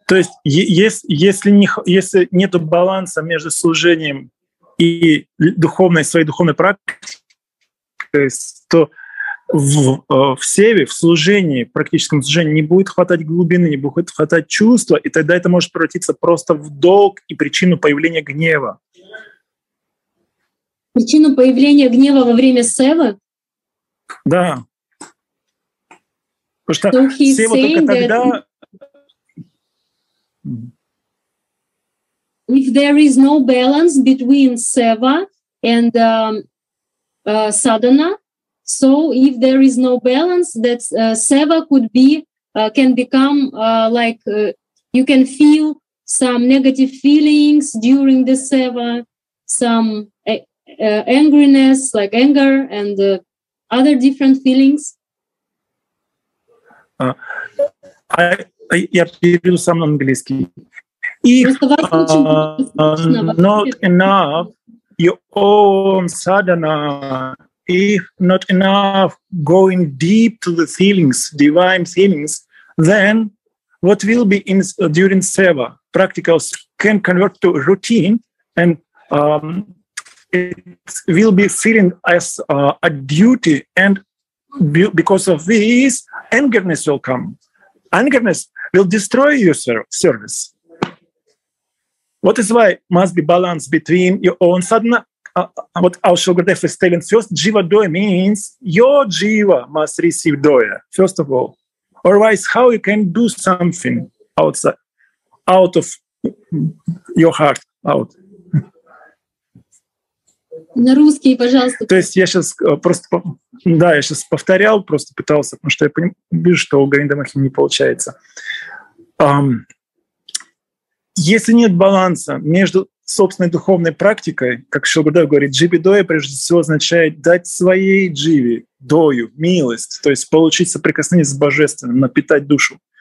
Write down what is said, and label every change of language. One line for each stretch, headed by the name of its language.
Russian: То есть если нет баланса между служением и своей духовной практикой, то в севе, в служении, в практическом служении не будет хватать глубины, не будет хватать чувства, и тогда это может превратиться просто в долг и причину появления гнева. Причину появления гнева во время сева? Да. Потому что сева только тогда...
English: If there is no balance between seva and sadhana, so if there is no balance, that seva could be, can become like, you can feel some negative feelings during the seva, some... angriness, like anger and other different feelings.
Russian: Я перевел сам на английский.
English: If not enough your own sadhana, if not enough going deep to the feelings, divine feelings, then what will be in during seva practicals can convert to routine and it will be feeling as a duty, and because of this, angerness will come. Angerness will destroy your service. What is why must be balance between your own sadhana, what Aushil Gurudev is telling first, jiva doya means your jiva must receive doya, first of all. Otherwise, how you can do something outside, out of your heart, out.
Russian: На русский, пожалуйста. То есть я сейчас просто, да, я сейчас повторял, просто пытался, потому что я вижу, что у Говинда Махи не получается. Если нет баланса между собственной духовной практикой, как Шрила Гурудев говорит, джиби-доя прежде всего означает дать своей дживе дою, милость, то есть получить соприкосновение с Божественным, напитать душу.